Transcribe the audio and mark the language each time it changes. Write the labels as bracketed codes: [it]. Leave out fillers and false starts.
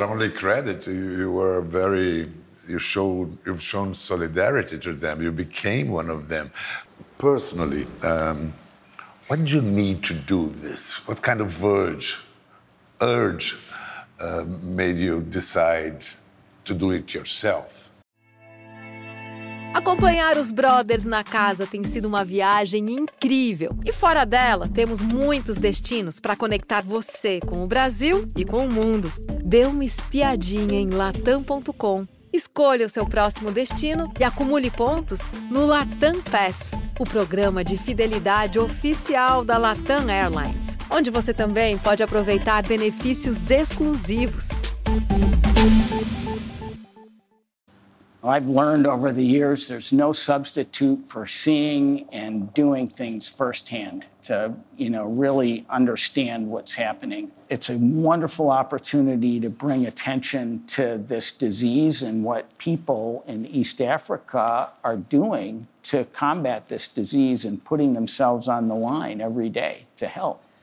[en] Not only credit, you were very, you've shown solidarity to them. You became one of them. Personally, what did you need to do this? What kind of urge made you decide to do it yourself? [pt] Acompanhar os brothers na casa tem sido uma viagem incrível. E fora dela, temos muitos destinos para conectar você com o Brasil e com o mundo. Dê uma espiadinha em latam.com. Escolha o seu próximo destino e acumule pontos no Latam Pass, o programa de fidelidade oficial da Latam Airlines, onde você também pode aproveitar benefícios exclusivos. [en] I've learned over the years there's no substitute for seeing and doing things firsthand to, you know, really understand what's happening. It's a wonderful opportunity to bring attention to this disease and what people in East Africa are doing to combat this disease and putting themselves on the line every day to help.